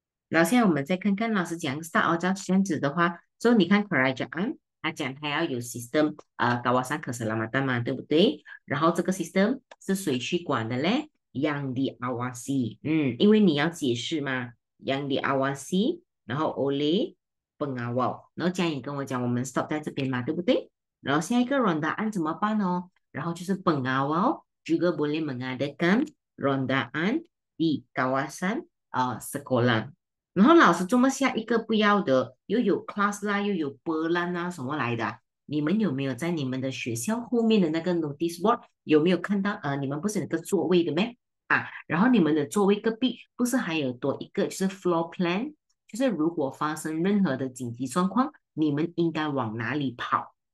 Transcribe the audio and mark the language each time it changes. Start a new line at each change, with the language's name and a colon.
Chinese: 然后现在我们再看看老师讲 start 哦，这样子的话，所以你看 correct 他讲他要有 system，
Malay: Kawasan Keselamatan
Chinese: 嘛，对不对？然后这个 system 是谁去管的嘞？
Malay: Yang di awasi，
Chinese: 因为你要解释嘛，Yang di awasi，然后
Malay: oleh pengawal，
Chinese: 然后这样你跟我讲，我们 stop 在这边嘛，对不对？然后下一个 ronda 案怎么办哦？然后就是
Malay: pengawal juga boleh mengadakan rondaan di kawasan sekolah。
Chinese: 然后老师这么下一个不要的，又有 class 啦，又有波浪啊，什么来的？你们有没有在你们的学校后面的那个
English: notice board
Chinese: 有没有看到？你们不是有个座位的咩？啊，然后你们的座位隔壁不是还有多一个，就是
English: floor plan，
Chinese: 就是如果发生任何的紧急状况，你们应该往哪里跑？